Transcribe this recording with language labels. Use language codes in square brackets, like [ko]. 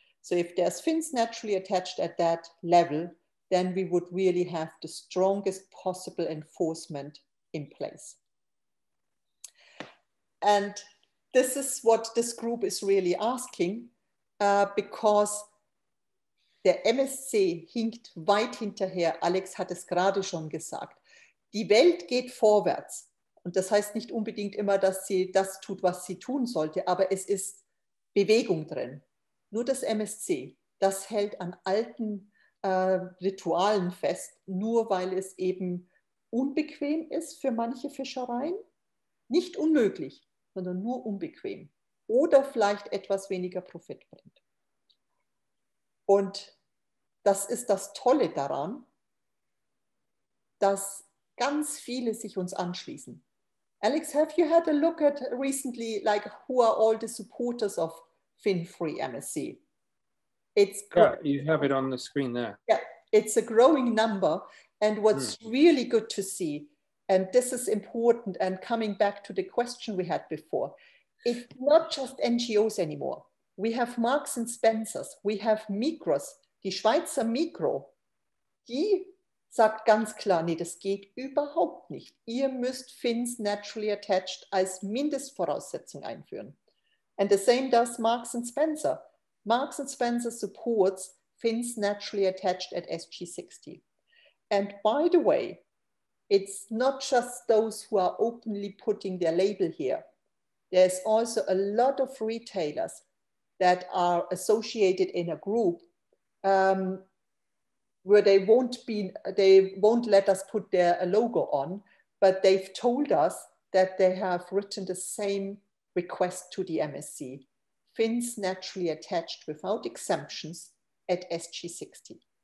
[en] So if there's fins naturally attached at that level, then we would really have the strongest possible enforcement in place. And this is what this group is really asking, because the MSC [de] hinkt weit hinterher. Alex hat es gerade schon gesagt. Die Welt geht vorwärts. Und das heißt nicht unbedingt immer, dass sie das tut, was sie tun sollte, aber es ist Bewegung drin. Nur das MSC, das hält an alten Ritualen fest, nur weil es eben unbequem ist für manche Fischereien. Nicht unmöglich, sondern nur unbequem. Oder vielleicht etwas weniger Profit bringt. Und das ist das Tolle daran, dass ganz viele sich uns anschließen. [en] Alex, have you had a look at recently, like who are all the supporters of FinFreeMSC? It's You have it on the screen there. Yeah, it's a growing number. And what's really good to see, and this is important, and coming back to the question we had before, it's not just NGOs anymore. We have Marks and Spencers, we have Migros, [de] die Schweizer Migro, die sagt ganz klar, nee, das geht überhaupt nicht. Ihr müsst Fins naturally attached als Mindestvoraussetzung einführen. [en] And the same does Marks and Spencer. Marks and Spencer supports Fins naturally attached at SG60. And by the way, it's not just those who are openly putting their label here. There's also a lot of retailers that are associated in a group where they won't let us put their logo on, but they've told us that they have written the same request to the MSC, fins naturally attached without exemptions at SG60.